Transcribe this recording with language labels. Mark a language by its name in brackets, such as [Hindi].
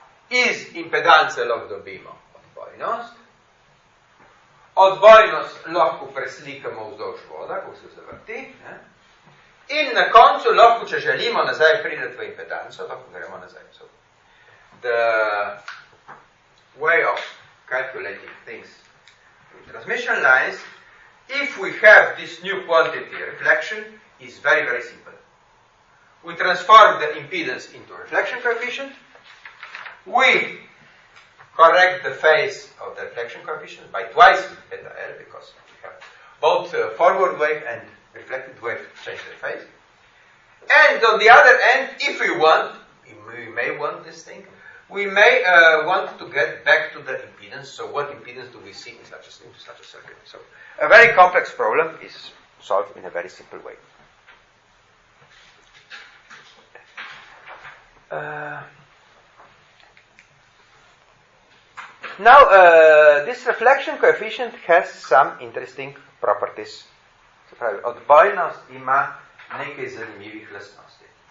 [Slovenian] Iz impedance log dobimo odbojnost, odbojnost lahko preslikamo vzdolž voda, ko se zavrti, ne? In na koncu lahko, če želimo nazaj priti v impedanco, lahko gremo nazaj. [English] The way of calculating things with transmission lines, if we have this new quantity reflection, is very, very simple. We transform the impedance into reflection coefficient. We correct the phase of the reflection coefficient by twice beta L, because we have both forward wave and reflected wave change the phase. And on the other end, if we want, we may want this thing, we may want to get back to the impedance. So what impedance do we see in such a thing, such a circuit? So a very complex problem is solved in a very simple way. Now, this reflection coefficient has some interesting properties. [Slovenian] Odbojnost ima nekaj zanimivih lastnosti.